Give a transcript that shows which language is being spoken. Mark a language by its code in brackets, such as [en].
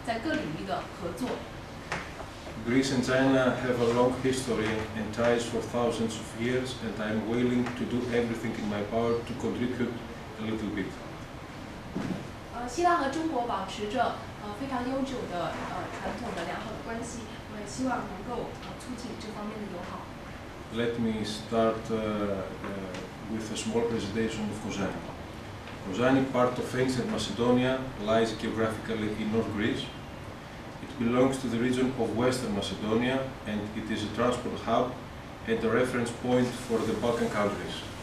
[zh] 希腊一直以来都是连接东西文明的这样一个重要的国家，那是各种的产品还有思想都是在希腊这里就是交换，那我也就是加强双方的在各领域的合作。Greece [en] and China have a long history and ties for thousands of years, and I'm willing to do everything in my power to contribute a little bit. [zh] 希腊和中国保持着 非常悠久的传统的良好的关系，我也希望能够促进这方面的友好。 [en] Let me start with a small presentation of Kozani. Kozani, part of ancient Macedonia, lies geographically in North Greece. It belongs to the region of Western Macedonia, and it is a transport hub and a reference point for the Balkan countries.